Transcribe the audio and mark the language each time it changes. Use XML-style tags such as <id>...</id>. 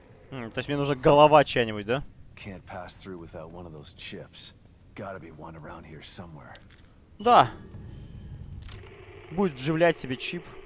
<ru>То есть мне нужна голова чья-нибудь, да?</ru> <en>Can't pass through without one of those chips. Gotta be one around here somewhere.</en> <ru>Да. Будет вживлять себе чип.</ru>